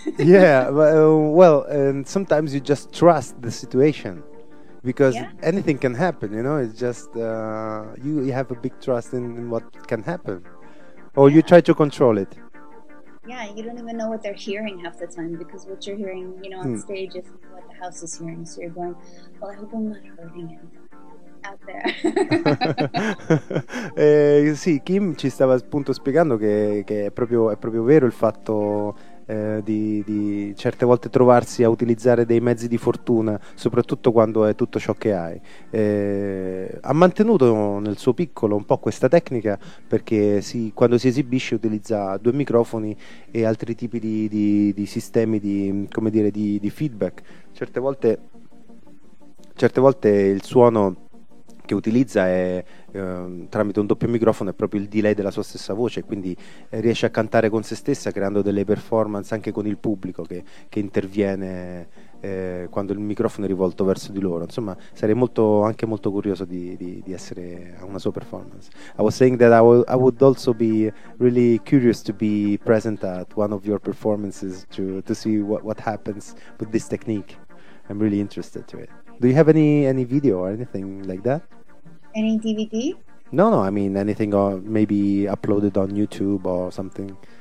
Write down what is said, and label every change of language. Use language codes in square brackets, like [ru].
[en] Yeah, well, and sometimes you just trust the situation, because anything can happen, you know. It's just you have a big trust in what can happen, or you try to control it. Yeah, you don't even know what they're hearing half the time, because what you're hearing, you know, on stage is what the house is hearing. So you're going, well, I hope I'm not hurting it there. [it] Sì, Kim ci stava appunto spiegando che è proprio vero il fatto di certe volte trovarsi a utilizzare dei mezzi di fortuna, soprattutto quando è tutto ciò che hai. Ha mantenuto nel suo piccolo un po' questa tecnica, perché quando si esibisce utilizza due microfoni e altri tipi di sistemi di feedback. Certe volte il suono che utilizza è tramite un doppio microfono, è proprio il delay della sua stessa voce, quindi riesce a cantare con se stessa, creando delle performance anche con il pubblico che interviene quando il microfono è rivolto verso di loro. Insomma, sarei molto, anche molto curioso di essere a una sua performance. [en] I was saying that I would also be really curious to be present at one of your performances to see what happens with this technique. I'm really interested to it. Do you have any video or anything like that? Any DVD? No, I mean anything, or maybe uploaded on YouTube or something.